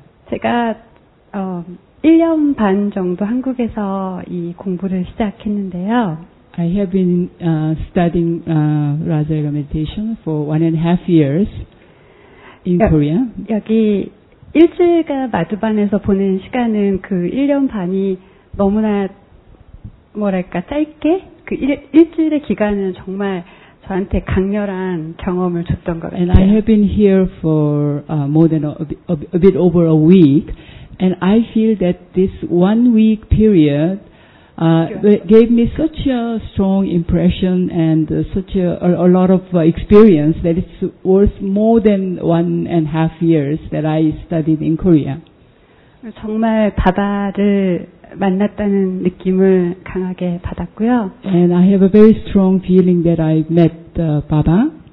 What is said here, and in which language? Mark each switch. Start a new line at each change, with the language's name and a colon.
Korean: 제가 1년 반 정도 한국에서 이 공부를 시작했는데요.
English: I have been studying Raja Yoga meditation for 1.5 years in Korea.
Korean: 여기 일주일간 마두반에서 보낸 시간은 그 1년 반이 너무나 뭐랄까 짧게 그 일주일의 기간은 정말 저한테 강렬한 경험을 줬던 것 같아요.
English: And I have been here for more than a bit over a week, and I feel that this 1 week period gave me such a strong impression and such a lot of experience that it's worth more than 1.5 years that I studied in Korea.
Korean: 정말 바다를 만났다는 느낌을 강하게 받았고요.
English: And I have a very strong feeling that I met Baba.